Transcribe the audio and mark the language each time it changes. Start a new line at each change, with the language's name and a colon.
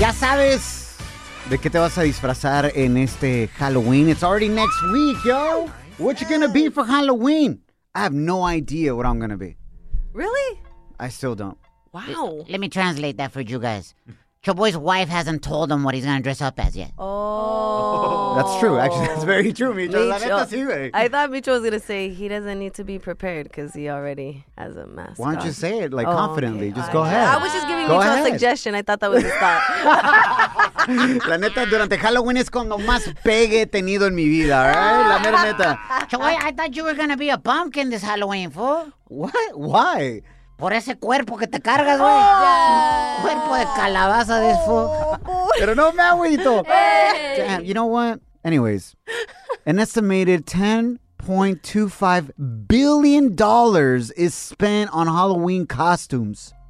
Spanish: Ya sabes de qué te vas a disfrazar en este Halloween.
English: It's already next week, yo. What you gonna be for Halloween? I have no idea what I'm going to be. Really? I still don't. Wow. Let me translate that for you guys. Choboy's wife hasn't told him what he's going to dress up as yet. Oh. That's true. Actually, that's very true, Micho. I thought Micho was going to say he doesn't need to be prepared because he already has a mask. Why don't you say it like confidently? Okay. Just go ahead. I was just giving Micho a suggestion. I thought that was his thought.
Spanish: La neta, durante Halloween es cuando más pegue he tenido en mi vida, right? La mera neta.
English: Choboy, I thought you were going to be a pumpkin this Halloween, fool. What? Why?
Spanish: Por ese cuerpo que te cargas, güey. Cuerpo de calabaza de eso. Pero no me agüito.
English: You know what? Anyways, an estimated $10.25 billion is spent on Halloween costumes.